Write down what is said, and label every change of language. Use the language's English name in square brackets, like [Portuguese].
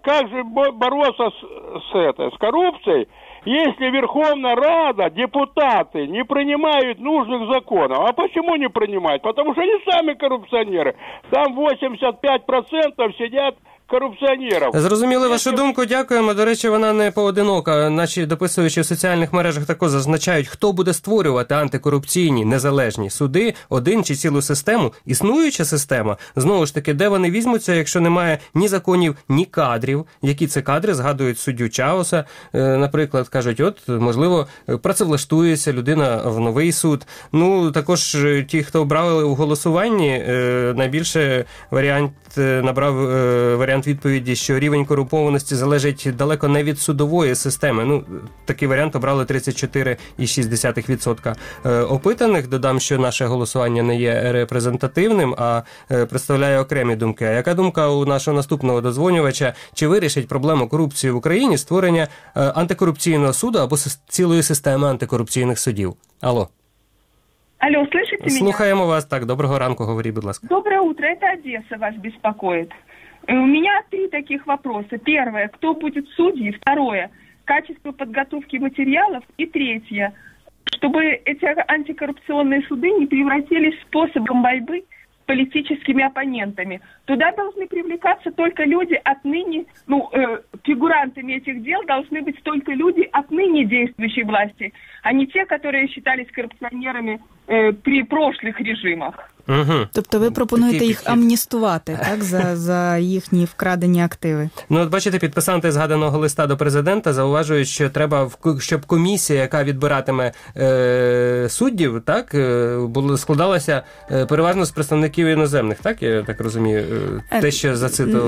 [Russian] Как же бороться с коррупцией, если Верховная Рада, депутаты не принимают нужных законов? А почему не принимают? Потому что они сами коррупционеры. Там 85% сидят корупціонерів. [Ukrainian] Зрозуміли вашу думку, дякуємо. До речі, вона не поодинока. Наші дописуючі в соціальних мережах також зазначають, хто буде створювати антикорупційні незалежні суди, один чи цілу систему. Існуюча система, знову ж таки, де вони візьмуться, якщо немає ні законів, ні кадрів. Які це кадри, згадують суддю Чаоса, наприклад, кажуть, от, можливо, працевлаштується людина в новий суд. Ну, також ті, хто обрали у голосуванні, найбільше варіант набрав варіант відповіді, що рівень корумпованості залежить далеко не від судової системи. Ну, такий варіант обрали 34,6% опитаних. Додам, що наше голосування не є репрезентативним, а представляє окремі думки. А яка думка у нашого наступного дозвонювача? Чи вирішить проблему корупції в Україні створення антикорупційного суду або цілої системи антикорупційних судів? Алло. [Russian] Алло, слышите меня? [Ukrainian] Слухаємо вас. Так, доброго ранку, говоріть, будь ласка. [Russian] Доброе утро, это Одесса вас беспокоит. У меня три таких вопроса. Первое, кто будет судьей? Второе, качество подготовки материалов? И третье, чтобы эти антикоррупционные суды не превратились в способом борьбы с политическими оппонентами. Туда должны привлекаться только люди отныне, фигурантами этих дел должны быть только люди отныне действующей власти, а не те, которые считались коррупционерами при прошлых режимах. Угу. [Ukrainian] Тобто ви пропонуєте їх амністувати, так, за їхні вкрадені активи. Ну, от бачите, підписанти згаданого листа до президента зауважують, що треба, щоб комісія, яка відбиратиме суддів, так, складалася переважно з представників іноземних, так, я так розумію, те, що зацитували.